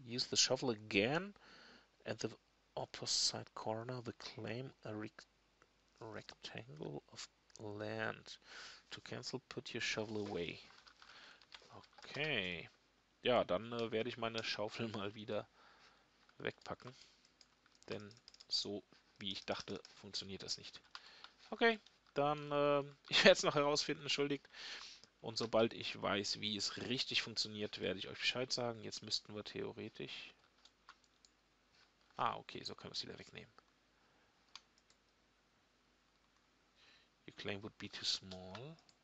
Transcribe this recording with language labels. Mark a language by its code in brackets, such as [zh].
[en] Use the shovel again at the opposite corner. The claim a rectangle of land. To cancel, put your shovel away. Okay. [de] Ja, dann werde ich meine Schaufel mal wieder wegpacken. Denn so wie ich dachte, funktioniert das nicht. Okay, dann ich werde es noch herausfinden, entschuldigt. Und sobald ich weiß, wie es richtig funktioniert, werde ich euch Bescheid sagen. Jetzt müssten wir theoretisch. Ah, okay, so können wir es wieder wegnehmen. [en] Your claim would be too small.